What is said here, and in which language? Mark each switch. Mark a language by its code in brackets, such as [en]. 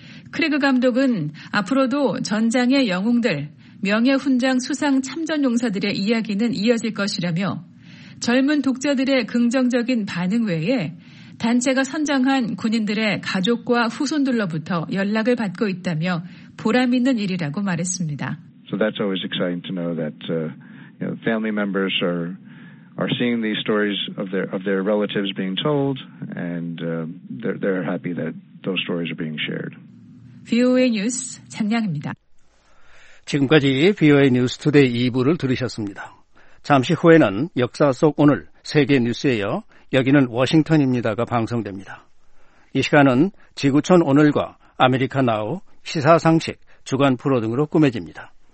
[ko] 크레그 감독은 앞으로도 전장의 영웅들, 명예훈장 수상 참전 용사들의 이야기는 이어질 것이라며 젊은 독자들의 긍정적인 반응 외에 단체가 선정한 군인들의 가족과 후손들로부터 연락을 받고 있다며 보람 있는 일이라고 말했습니다. [en] So that's always exciting to know that family members are are seeing these stories of their relatives being told, and they're happy that those stories are being shared. [ko] VOA 뉴스 장량입니다. 지금까지 VOA 뉴스 투데이 2부를 들으셨습니다. 잠시 후에는 역사 속 오늘 세계 뉴스예요. 여기는 워싱턴입니다가 방송됩니다. 이 시간은 지구촌 오늘과 아메리카 나우, 시사상식, 주간 프로 등으로 꾸며집니다.